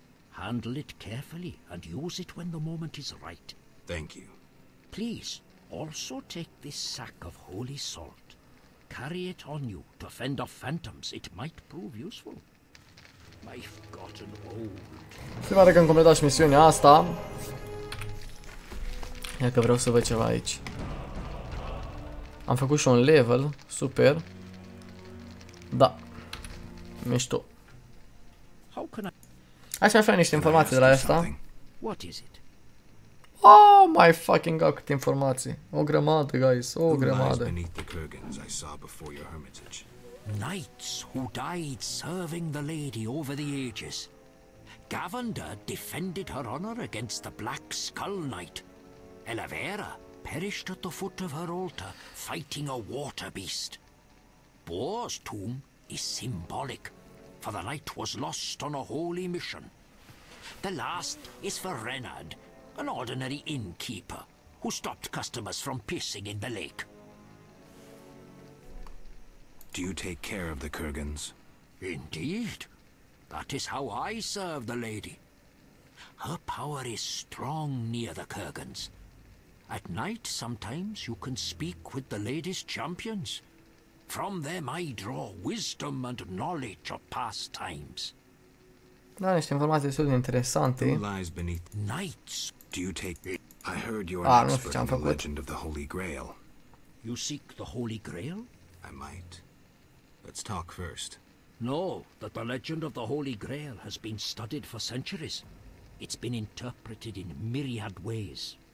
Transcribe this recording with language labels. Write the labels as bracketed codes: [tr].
[en] Handle it carefully and use it when the moment is right. Thank you. Please also take this sack of holy salt. Carry it on you to fend off phantoms. It might prove useful. I've gotten old. [ro] Se pare că am completat și misiunea asta. Iar că vreau să văd ceva aici. Am făcut și un level, super. Da. Mișto. Aș mai fi niște informații de la asta. [en] What is it? Oh my fucking god, [ro] câte informații. O grămadă, guys, o grămadă. [en] Beneath the Kurgans I saw before your hermitage. Knights who died serving the lady over the ages. Gavander defended her honor against the Black Skull Knight. Elevera perished at the foot of her altar fighting a water beast. Boar's tomb is symbolic. For the knight was lost on a holy mission. The last is for Renard, an ordinary innkeeper, who stopped customers from pissing in the lake. Do you take care of the Kurgans? Indeed. That is how I serve the lady. Her power is strong near the Kurgans. At night, sometimes you can speak with the lady's champions. From them I draw wisdom and knowledge of past times. [ro] Da, niște informații destul de interesante. [en] Knights, do you take it? I heard you are an expert in the legend of the Holy Grail. You seek the Holy Grail? I might. Let's talk first. Know that the legend of the Holy Grail has been studied for centuries. It's been interpreted in myriad ways.